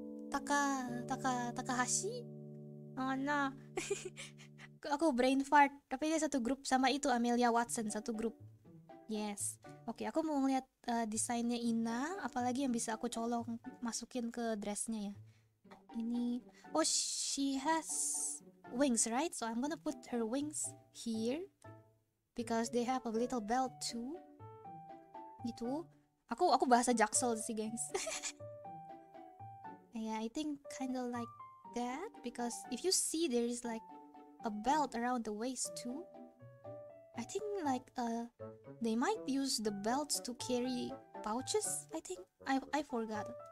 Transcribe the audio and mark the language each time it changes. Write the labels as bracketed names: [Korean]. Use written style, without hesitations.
[English] Takahashi? Oh no. [Indonesian] Aku [English] brain fart, [Indonesian] tapi dia satu grup sama itu Amelia Watson, satu grup. Yes. Oke, aku mau lihat desainnya Ina, apalagi yang bisa aku colong masukin ke dressnya ya. Ini, [English] oh, she has wings, right? So I'm gonna put her wings here because they have a little belt too. [Indonesian] Gitu. Aku bahasa Jaksel sih, gengs. [English] Yeah, I think kind of like that because if you see there is like a belt around the waist too. I think like they might use the belts to carry pouches, I think. I forgot.